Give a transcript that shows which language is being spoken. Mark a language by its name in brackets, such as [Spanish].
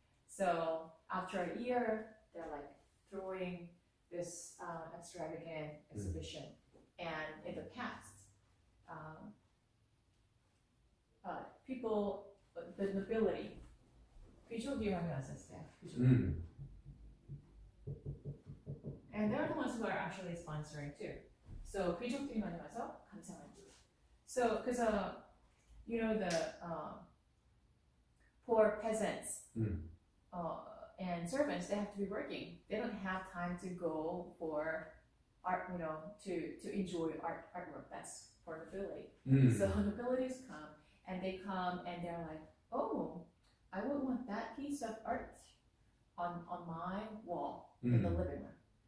[English] So after a year, they're like throwing this extravagant exhibition. And in the past, people, the nobility, [Korean] 귀족이라고 했었어요. [English] And they're the ones who are actually sponsoring too. [Korean] So 귀족들이 많이 와서 감상을 해요. [English] So, because you know the poor peasants and servants, they have to be working. They don't have time to go for art, you know, to enjoy artwork. That's for nobility. So nobilities come and they come and they're like, oh, I would want that piece of art on my wall in the living room.